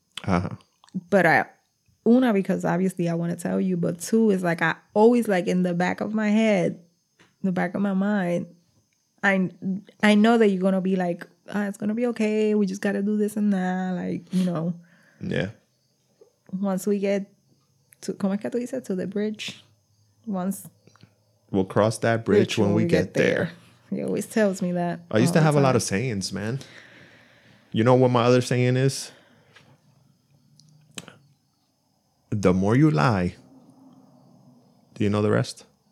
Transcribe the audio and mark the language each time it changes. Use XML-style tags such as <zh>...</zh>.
<en>Uh-huh. But I... Una, because obviously I want to tell you, but two is like I always like in the back of my head, the back of my mind, I know that you're gonna be like, oh, it's gonna be okay. We just gotta do this and that, like you know. Yeah. Once we get to</en> <es>¿cómo es que tú dices?</es> <en>To the bridge, once we'll cross that bridge when we get there. He always tells me that. I used to have a lot of sayings, man. You know what my other saying is? The more you lie, do you know the rest?</en>